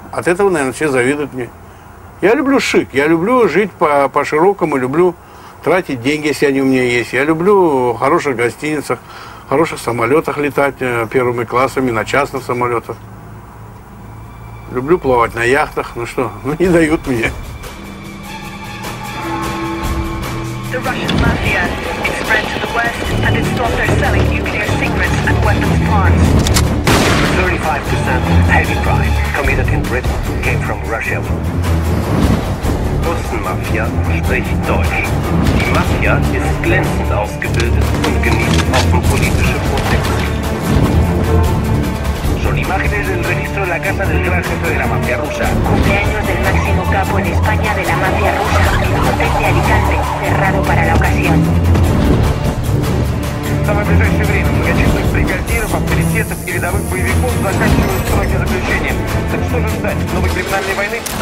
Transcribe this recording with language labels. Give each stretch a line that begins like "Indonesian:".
Russian: От этого, наверное, все завидуют мне. Я люблю шик, я люблю жить по-широкому, люблю тратить деньги, если они у меня есть. Я люблю в хороших гостиницах, в хороших самолетах летать первыми классами, на частных самолетах. Люблю плавать на яхтах, ну что, ну не дают мне.
English: The Russian mafia is spread to the West and it's thought they're selling nuclear secrets and weapons parts. 35% heavy crime committed in Britain came from Russia.
German: Russenmafia spricht Deutsch. Die Mafia ist glänzend ausgebildet und genießt offen politische Protekte.
Spanish: Son imágenes del registro de la Casa del Gran Jefe de la Mafia Rusa. Cumpleaños del máximo capo en España de la Mafia Rusa. Hotel de Alicante, cerrado para la ocasión.
Russian: В самое ближайшее время многочисленных бригадиров, авторитетов и рядовых боевиков заканчивают сроки заключения. Так что же ждать? Новой криминальной войны?